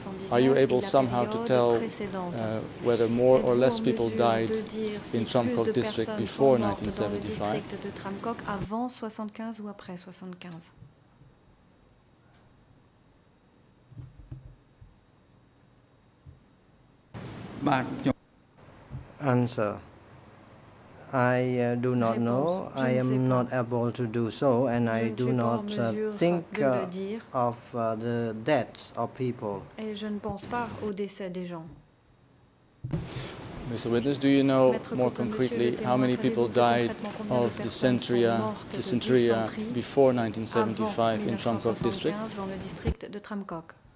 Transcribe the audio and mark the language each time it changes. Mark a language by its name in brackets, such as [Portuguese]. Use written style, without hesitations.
[English] Are you able somehow to tell whether more or less people died in Tramcock district before 1975? Answer. I do not know. I am not able to do so, and I do not think of the deaths of people. [French] Et je ne pense pas au décès des gens. [English] Mr. Witness, do you know more concretely how many people died of dysenteria before 1975 in Tramcock district? [French] Dans le district de Tramcock.